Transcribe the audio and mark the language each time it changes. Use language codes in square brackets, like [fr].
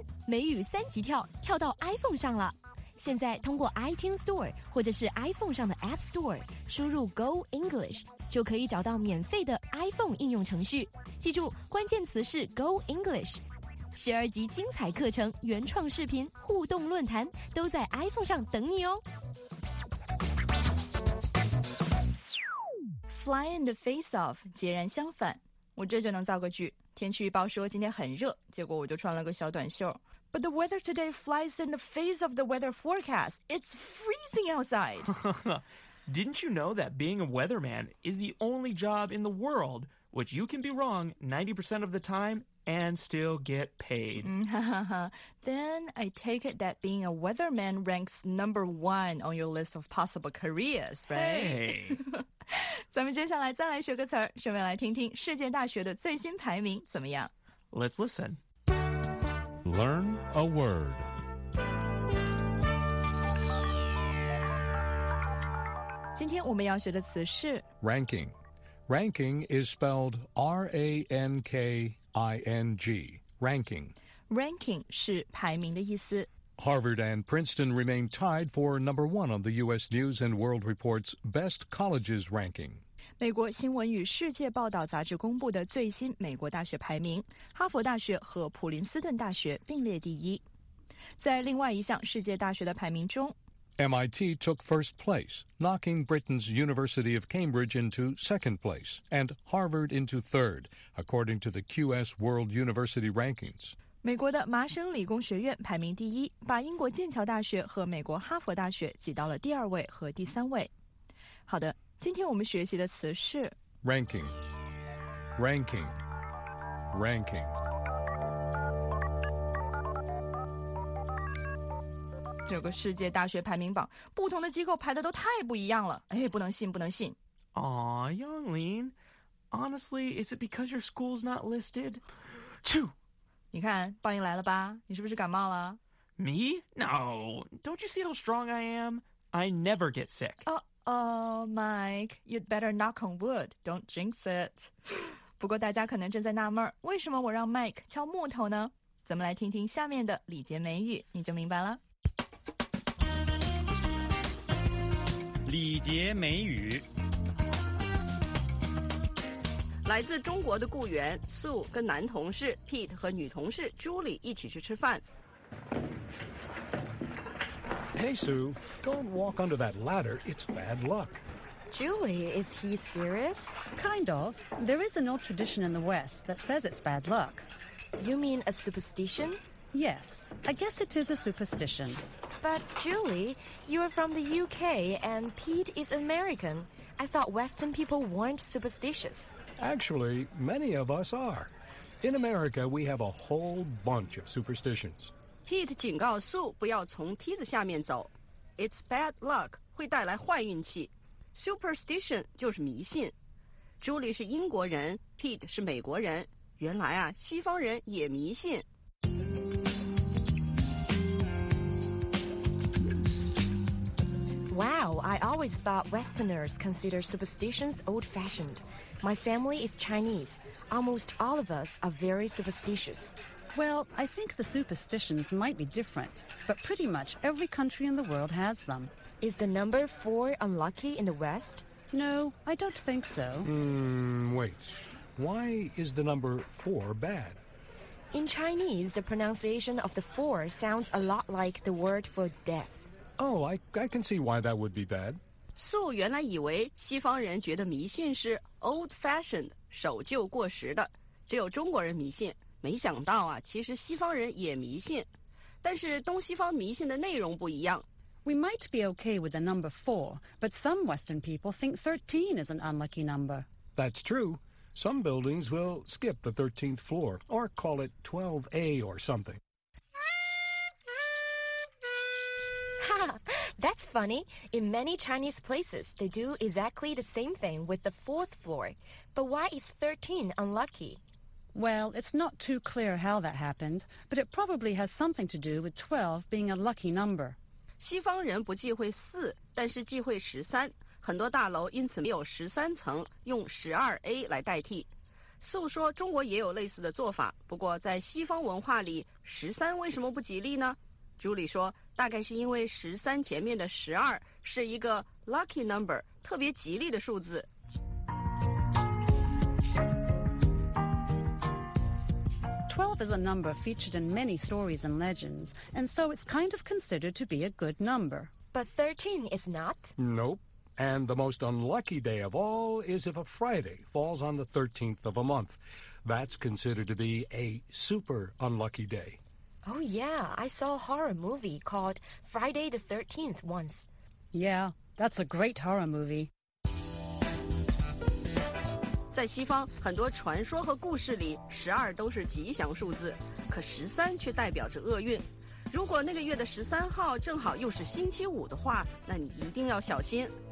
[zh] 美语三级跳，跳到 iPhone 上了。现在通过 iTunes Store 或者是 iPhone 上的 App Store 输入 Go English， 就可以找到免费的 iPhone 应用程序。记住，关键词是 Go English。十二级精彩课程、原创视频、互动论坛都在 iPhone 上等你哦。 [en] Fly in the face of， [zh] 截然相反。我这就能造个句，天气预报说今天很热，结果我就穿了个小短袖。 [en] But the weather today flies in the face of the weather forecast. It's freezing outside. Didn't you know that being a weatherman is the only job in the world which you can be wrong 90% of the time and still get paid? Then I take it that being a weatherman ranks number one on your list of possible careers, right? Hey. [zh] 咱们接下来再来学个词儿，顺便来听听世界大学的最新排名怎么样。 [en] Let's listen. Learn a word. Today, we're going to learn the word ranking. Ranking is spelled R-A-N-K-I-N-G. Ranking. Ranking is [zh] 排名的意思. [en] Harvard and Princeton remain tied for number one on the U.S. News and World Report's Best Colleges ranking. [zh] 美国新闻与世界报道杂志公布的最新美国大学排名，哈佛大学和普林斯顿大学并列第一。在另外一项世界大学的排名中 [en] ，MIT took first place, knocking Britain's University of Cambridge into second place and Harvard into third, according to the QS World University Rankings. [zh] 美国的麻省理工学院排名第一，把英国剑桥大学和美国哈佛大学挤到了第二位和第三位。好的。今天我们学习的词是 [en] ranking, ranking, ranking. [zh] 这个世界大学排名榜，不同的机构排的都太不一样了。哎，不能信，不能信。 [en] Aw, Yonglin, honestly, is it because your school's not listed? Chew! [zh] 你看，报应来了吧？你是不是感冒了 [en] ？Me? No. Don't you see how strong I am? I never get sick. Oh, Mike, you'd better knock on wood. Don't jinx it. [zh] 不过大家可能正在纳闷，为什么我让 Mike 敲木头呢？咱们来听听下面的礼节美语，你就明白了。礼节美语。来自中国的雇员 Sue 跟男同事 Pete 和女同事 Julie 一起去吃饭。 [en] Hey, Sue, don't walk under that ladder. It's bad luck. Julie, is he serious? Kind of. There is an old tradition in the West that says it's bad luck. You mean a superstition? Yes, I guess it is a superstition. But, Julie, you're from the UK and Pete is American. I thought Western people weren't superstitious. Actually, many of us are. In America, we have a whole bunch of superstitions. [zh] Pete 警告 Sue 不要从梯子下面走。 [en] It's bad luck [zh] 会带来坏运气。 Superstition 就是迷信。Julie 是英国人 ，Pete 是美国人。原来啊，西方人也迷信。 [en] Wow, I always thought Westerners consider superstitions old-fashioned. My family is Chinese. Almost all of us are very superstitious. Well, I think the superstitions might be different, but pretty much every country in the world has them. Is the number 4 unlucky in the West? No, I don't think so. Wait. Why is the number 4 bad? In Chinese, the pronunciation of the 4 sounds a lot like the word for death. Oh, I can see why that would be bad. [zh] Sue 原来以为西方人觉得迷信是 old-fashioned, 守旧过时的，只有中国人迷信。没想到啊，其实西方人也迷信，但是东西方迷信的内容不一样。 [en] We might be okay with the number 4, but some Western people think 13 is an unlucky number. That's true. Some buildings will skip the 13th floor, or call it 12A or something. That's funny. In many Chinese places, they do exactly the same thing with the 4th floor. But why is 13 unlucky? Well, it's not too clear how that happened, but it probably has something to do with 12 being a lucky number. [zh] 西方人不忌讳4，但是忌讳13。很多大楼因此没有13层，用 12A 来代替。 Sue说中国也有类似的做法，不过在西方文化里，13为什么不吉利呢？ Julie 说大概是因为13前面的12是一个 [en] lucky number, [zh] 特别吉利的数字。 [en] 12 is a number featured in many stories and legends, and so it's kind of considered to be a good number. But 13 is not? Nope. And the most unlucky day of all is if a Friday falls on the 13th of a month. That's considered to be a super unlucky day. Oh, yeah, I saw a horror movie called Friday the 13th once. Yeah, that's a great horror movie. [zh] 在西方，很多传说和故事里，12都是吉祥数字，可13却代表着厄运。如果那个月的13号正好又是星期五的话，那你一定要小心。